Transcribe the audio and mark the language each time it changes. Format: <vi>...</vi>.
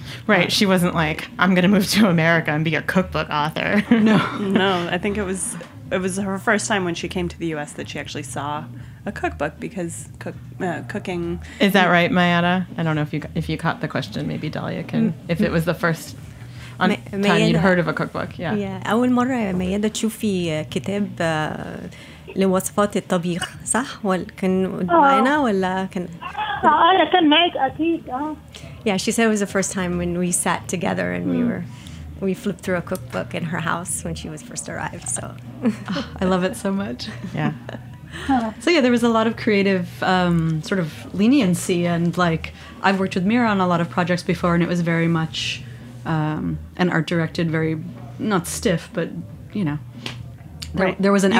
<en>Right, she wasn't like, I'm going to move to America and be a cookbook author. No, I think it was her first time when she came to the U.S. that she actually saw a cookbook, because cooking... Is that right, Miata? I don't know if you caught the question, maybe Dahlia can... If it was the first time you'd heard of a cookbook, yeah. Yeah,</en> <ar>أول مرة ميادة تشوف في كتاب... لوصفات الطبيخ صح ولا كان معنا ولا كان انا كان معك اكيد</ar> <en>Yeah, she said it was the first time when we sat together and we flipped through a cookbook in her house when she was first arrived, so I love it so much. Yeah. So yeah, there was a lot of creative sort of leniency, and like I've worked with Mira on a lot of projects before, and it was very much an art directed, very not stiff, but you know, There was an</en>